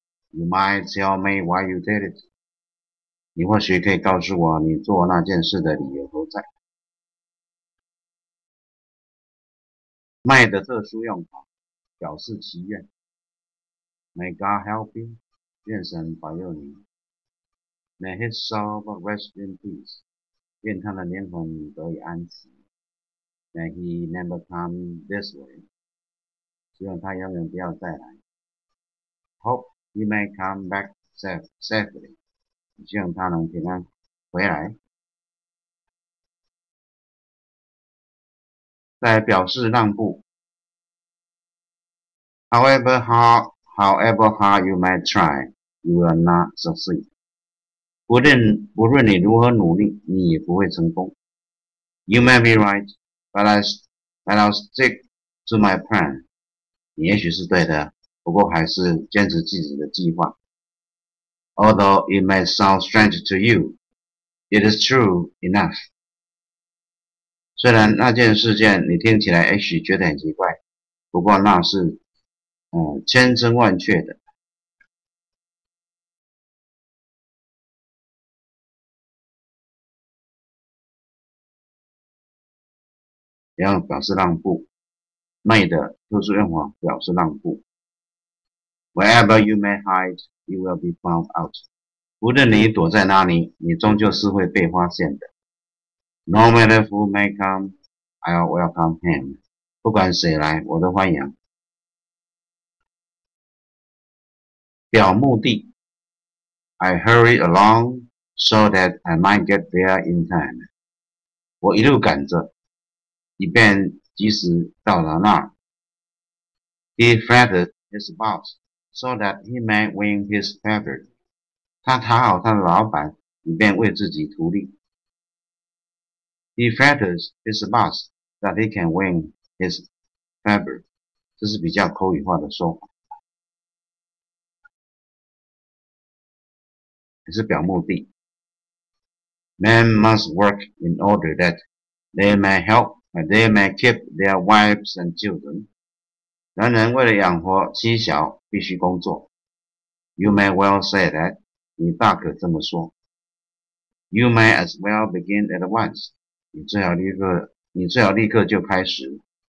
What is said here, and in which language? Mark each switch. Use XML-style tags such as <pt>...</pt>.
<en>You might tell me why you did it。</en> <zh>你或许可以告诉我你做那件事的理由何在。 Might 的特殊用法，表示祈愿。</zh> <en>May God help you。</en> <zh>愿神保佑你。</zh> <en>May his soul rest in peace.</en> <zh>愿他的灵魂得以安息。</zh> <en>May he never come this way.</en> <zh>希望他永远不要再来。</zh> <en>Hope he may come back safely.</en> <zh>希望他能平安回来。再来表示让步。</zh> <en>However hard you may try. You will not succeed.</en> <zh>不论你如何努力，你也不会成功。</zh> <en>You may be right, but I'll stick to my plan.</en> <zh>你也许是对的，不过还是坚持自己的计划。</zh> <en>Although it may sound strange to you, it is true enough.</en> <zh>虽然那件事件你听起来也许觉得很奇怪，不过那是千真万确的。要表示让步 ，may 的特殊用法表示让步。</zh> <en>Wherever you may hide, you will be found out.</en> <zh>无论你躲在哪里，你终究是会被发现的。</zh> <en>No matter who may come, I'll welcome him.</en> <zh>不管谁来，我都欢迎。表目的</zh> <en>，I hurry along so that I might get there in time.</en> <zh>我一路赶着。以便及时到达那儿。</zh> <en>He flattered his boss so that he may win his paper.</en> <zh>他讨好他的老板，以便为自己图利。</zh> <en>He flattered his boss that he can win his paper.</en> <zh>这是比较口语化的说法，也是表目的。</zh> <en>Men must work in order that they may help and they may keep their wives and children.</en> <zh>男人为了养活妻小必须工作。</zh> <en>You may well say that,</en> <zh>你大可这么说。</zh> <en>You may as well begin at once,</en> <zh>你最好立刻就开始。</zh>